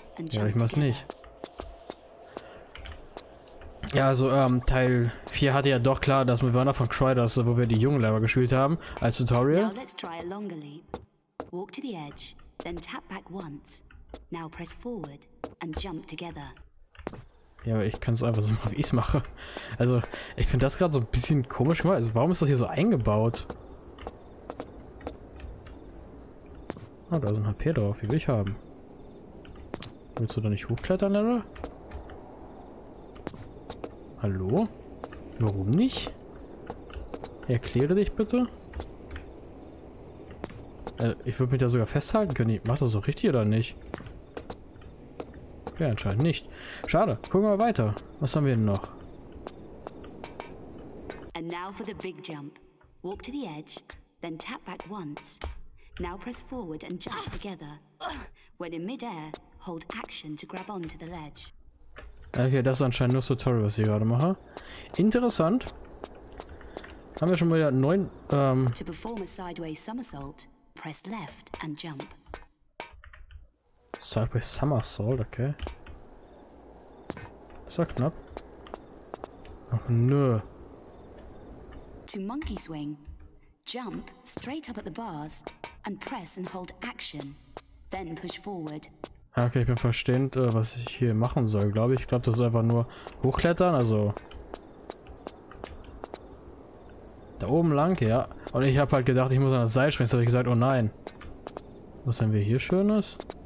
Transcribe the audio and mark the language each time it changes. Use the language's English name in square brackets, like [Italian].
[German] Ja, ich mach's nicht. Ja, also, Teil 4 hatte ja doch klar, dass mit Werner von Kreiders, wo wir die jungen Lehrer gespielt haben, als Tutorial. [English] Now let's try a longer leap. Walk to the edge, then tap back once. Now press forward and jump together. [German] Ja, aber ich kann es einfach so machen, wie ich es mache. Also, ich finde das gerade so ein bisschen komisch gemacht. Also, warum ist das hier so eingebaut? Ah, da ist ein HP drauf, wie will ich haben. Willst du da nicht hochklettern, oder? Hallo? Warum nicht? Erkläre dich bitte. Ich würde mich da sogar festhalten können. Ich mach das so richtig oder nicht? Ja, anscheinend nicht. Schade. Gucken wir mal weiter. Was haben wir denn noch? [English] And now for the big jump. Walk to the edge, then tap back once. Now press forward and jump together. When in midair, hold action to grab onto the ledge. [German] Okay, das ist anscheinend nur das Tutorial, was ich gerade mache. Interessant. Haben wir schon mal 9 [English] To perform a sideways somersault, press left and jump. Sideways somersault, okay. [German] Ist doch knapp. Ach nö. [English] To monkey swing, jump straight up at the bars and press and hold action, then push forward. [German] Okay, ich bin verstehend, was ich hier machen soll, glaube ich. Ich glaube, das ist einfach nur hochklettern, also... Da oben lang, ja. Und ich habe halt gedacht, ich muss an das Seil springen. Jetzt habe ich gesagt, oh nein. Was haben wir hier Schönes?